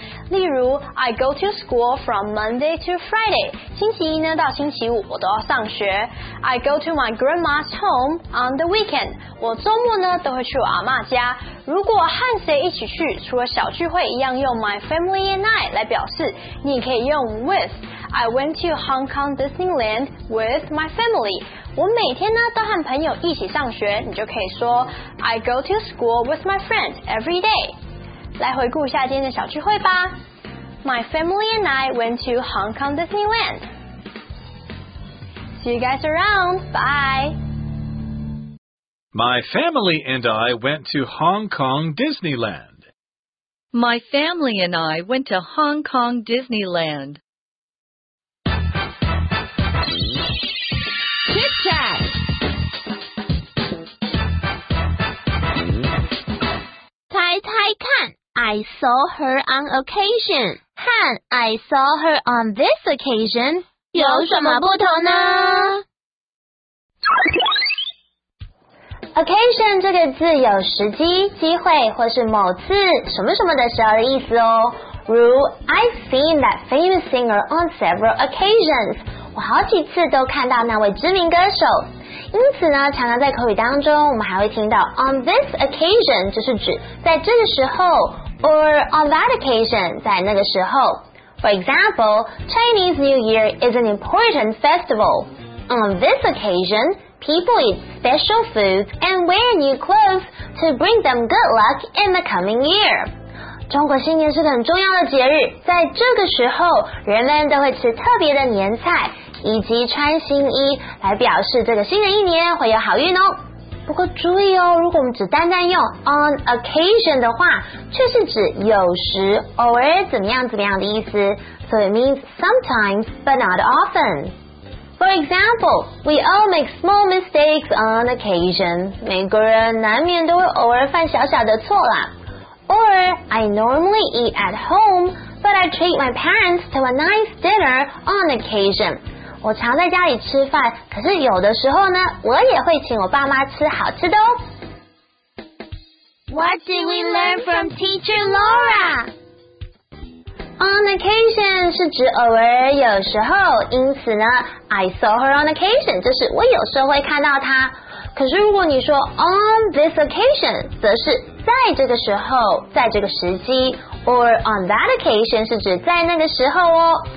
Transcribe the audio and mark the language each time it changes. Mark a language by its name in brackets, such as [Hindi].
[Chinese] 例如 [English] I go to school from Monday to Friday [Chinese] 星期一呢到星期五我都要上学 [English] I go to my grandma's home on the weekend [Chinese] 我周末呢都会去我阿嬷家如果和谁一起去除了小聚会一样用 [English] my family and I [Chinese] 来表示你可以用 with [English] I went to Hong Kong Disneyland with my family [Chinese] 我每天呢都和朋友一起上学你就可以说 [English] I go to school with my friend every day [Chinese] 来回顾一下今天的小聚会吧。 [English] My family and I went to Hong Kong Disneyland. See you guys around. Bye. My family and I went to Hong Kong Disneyland. My family and I went to Hong Kong Disneyland. Chit chat. Tai Tai Kan. I saw her on occasion. Han, I saw her on this occasion. [Chinese] 有什么不同呢？ Occasion 这个字有时机、机会或是某次什么什么的时候的意思哦。如 [English] I've seen that famous singer on several occasions， [Chinese] 我好几次都看到那位知名歌手。因此呢，常常在口语当中，我们还会听到 [English] on this occasion， [Chinese] 就是指在这个时候 ， [English] or on that occasion， [Chinese] 在那个时候。 [English] For example， Chinese New Year is an important festival. On this occasion。 People eat special foods and wear new clothes to bring them good luck in the coming year. [Chinese] 中国新年是很重要的节日，在这个时候，人们都会吃特别的年菜，以及穿新衣，来表示这个新的一年会有好运哦。不过注意哦，如果我们只单单用 on occasion 的话，却是指有时、偶尔怎么样怎么样的意思。 [English] So it means sometimes but not often. For example, we all make small mistakes on occasion. [Chinese] 每个人难免都会偶尔犯小小的错啦。 [English] Or, I normally eat at home, but I treat my parents to a nice dinner on occasion. [Chinese] 我常在家里吃饭，可是有的时候呢，我也会请我爸妈吃好吃的哦。 [English] What did we learn from Teacher Laura? [Chinese] On occasion 是指偶尔有时候，因此呢 [English] I saw her on occasion [Chinese] 就是我有时候会看到她。可是如果你说 [English] on this occasion [Chinese] 则是在这个时候，在这个时机， [English] or on that occasion [Chinese] 是指在那个时候哦。